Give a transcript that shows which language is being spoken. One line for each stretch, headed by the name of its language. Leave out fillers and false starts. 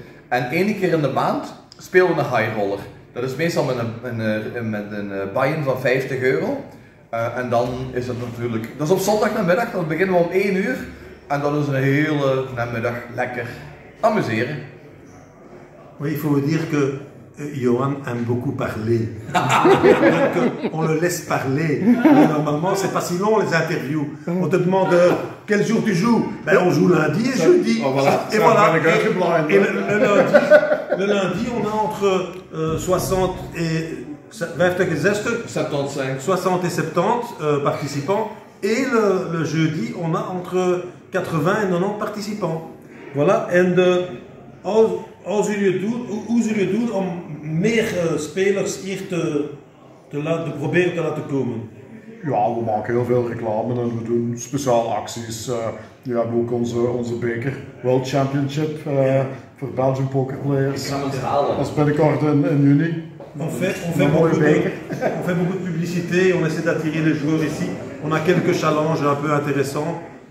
Dutch: En één keer in de maand spelen we een high roller. Dat is meestal met een buy-in van €50. En dan is het natuurlijk, dat is op zondag namiddag, dan beginnen we om 1 uur. En dat is een hele namiddag lekker amuseren.
French: Oui, il faut vous dire que Johan aime beaucoup parler. Donc, on le laisse parler. Mais normalement, c'est pas si long les interviews. On te demande quel jour tu joues. Ben, on joue lundi et jeudi. Oh, voilà. Et voilà. Et le lundi, on a entre 60 et 50 et 75. 60 et 70 participants. Et le jeudi, on a entre 80 et 90 participants. Voilà.
Dutch: And hoe zullen jullie doen om meer spelers hier te proberen te laten komen? Ja, we maken heel veel reclame en we doen speciale acties. We hebben ook onze beker World Championship voor Belgian Poker Players. Ik ga het halen. Dat is binnenkort in juni.
French: On fait
Dutch: mooie beker.
French: On fait beaucoup de publicité. On essaie d'attirer les joueurs ici. On a quelques challenges un peu intéressants.